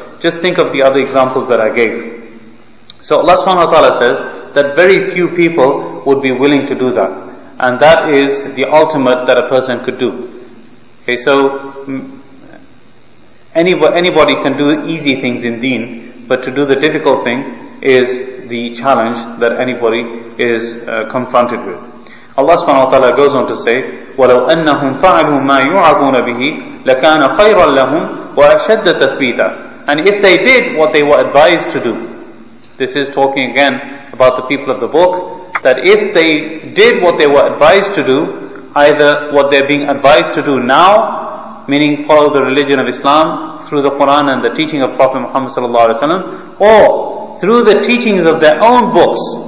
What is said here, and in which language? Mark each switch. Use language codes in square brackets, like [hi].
[en] Just think of the other examples that I gave. So Allah subhanahu wa ta'ala says that very few people would be willing to do that, and that is the ultimate that a person could do. Okay, so anybody can do easy things in deen, but to do the difficult thing is the challenge that anybody is confronted with. Allah subhanahu wa ta'ala goes on to say, [ar] وَلَوْ أَنَّهُمْ فَعَلُوا مَا يُعَظُونَ بِهِ لَكَانَ خَيْرًا لَهُمْ وَأَشَدَّ تَثْبِيتًا. [en] And if they did what they were advised to do, this is talking again about the people of the book, that if they did what they were advised to do, either what they're being advised to do now, meaning follow the religion of Islam through the Quran and the teaching of Prophet Muhammad sallallahu alaihi wasallam, or through the teachings of their own books,